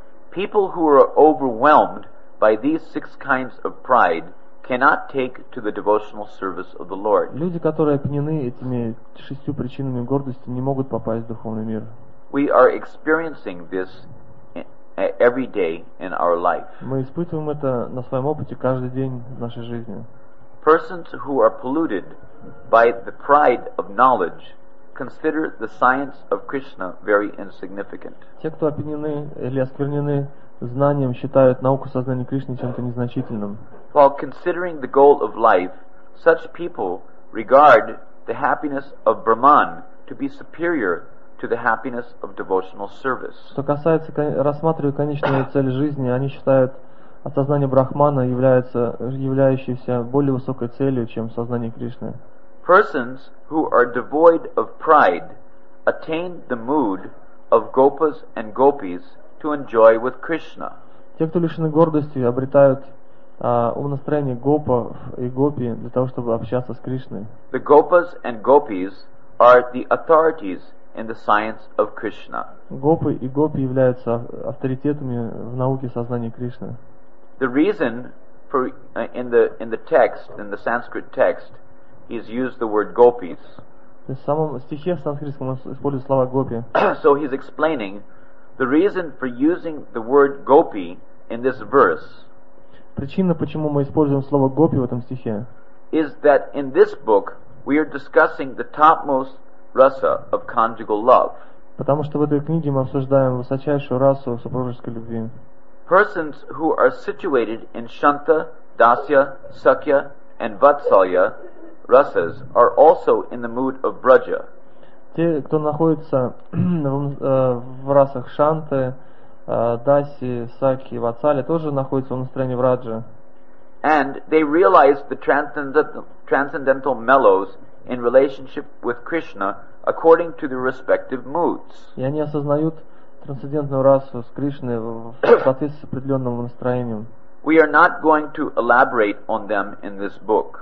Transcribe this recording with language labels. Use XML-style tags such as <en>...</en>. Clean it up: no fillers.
<en>People who are overwhelmed by these six kinds of pride cannot take to the devotional service of the Lord.</en> <ru>Люди, которые опьянены этими шестью причинами гордости, не могут попасть в духовный мир.</ru> <en>We are experiencing this every day in our life.</en> <ru>Мы испытываем это на своем опыте каждый день в нашей жизни.</ru> <en>Persons who are polluted by the pride of knowledge consider the science of Krishna very insignificant.</en> <ru>Те, кто опьянены или осквернены знанием, считают науку сознания Кришны чем-то незначительным.</ru> <en>While considering the goal of life, such people regard the happiness of Brahman to be superior to the happiness of devotional service.</en> <ru>Что касается рассматривая конечную цель жизни, они считают осознание Брахмана являющееся более высокой целью, чем сознание Кришны.</ru> <en>Persons who are devoid of pride attain the mood of gopas and gopis to enjoy with Krishna.</en> <ru>Те, кто лишены гордости, обретают умонастроение гопов и гопи для того, чтобы общаться с Кришной.</ru> <en>The gopas and gopis are the authorities in the science of Krishna.</en> <ru>Гопы и гопи являются авторитетами в науке сознания Кришны.</ru> <en>The reason for in the text, in the Sanskrit text, he has used the word gopis.</en> <ru>В самом стихе санскритском он использует слово гопи.</ru> <en>So he's explaining the reason for using the word gopi in this verse.</en> <ru>Причина, почему мы используем слово гопи в этом стихе,</ru> <en>is that in this book we are discussing the topmost rasa of conjugal love.</en> <ru>Потому что в этой книге мы обсуждаем высочайшую расу супружеской любви.</ru> <en>Persons who are situated in Shanta, Dasya, Sakya, and Vatsalya rasas are also in the mood of Braja.</en> <ru>Те, кто находится в расах Шанты, Даси, Саки, Вацали тоже находятся в настроении враджа.</ru> <en>And they realize the transcendental mellows in relationship with Krishna according to their respective moods.</en> <ru>И они осознают трансцендентную расу с Кришной в соответствии с определенным настроением.</ru> <en>We are not going to elaborate on them in this book.</en>